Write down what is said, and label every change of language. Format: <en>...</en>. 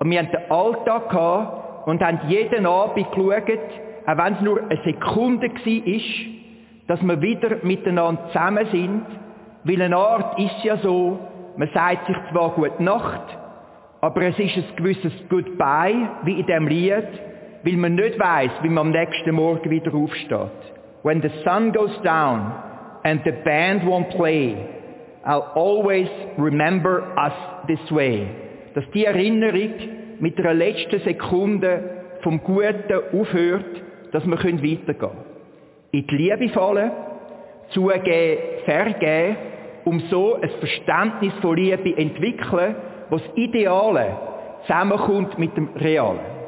<de>Und wir haben den Alltag gehabt und haben jeden Abend geschaut, auch wenn es nur eine Sekunde gewesen ist, dass wir wieder miteinander zusammen sind, weil eine Art ist ja so, man sagt sich zwar gute Nacht, aber es ist ein gewisses Goodbye, wie in diesem Lied, weil man nicht weiss, wie man am nächsten Morgen wieder aufsteht.</de> <en>When the sun goes down and the band won't play, I'll always remember us this way.</en> <de>Dass die Erinnerung mit der letzten Sekunde vom Guten aufhört, dass wir weitergehen können. In die Liebe fallen, zugeben, vergeben, um so ein Verständnis von Liebe zu entwickeln, wo das Ideale zusammenkommt mit dem Realen.</de>